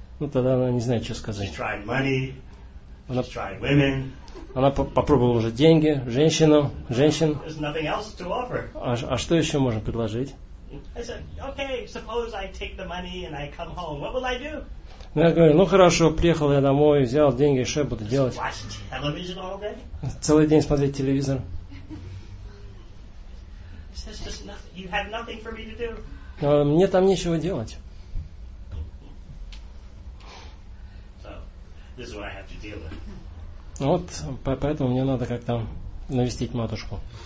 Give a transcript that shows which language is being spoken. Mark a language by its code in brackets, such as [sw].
[ru] Ну тогда она не знает, что сказать. [en] She's tried money. She's tried women. [ru] Она попробовала уже деньги, женщин. [en] There's nothing else to offer. [ru] А что еще можно предложить? [en] I said, okay, suppose I take the money and I come home. What will I do? [ru] Ну, я говорю, ну хорошо, приехал я домой, взял деньги, что я буду делать? [en] Watch television all day? [ru] Целый день смотреть телевизор. [en] Says, just nothing. You have nothing for me to do. [ru] А мне там нечего делать. [en] This is what I have to deal with. [ru] Ну, вот, поэтому мне надо как-то навестить матушку.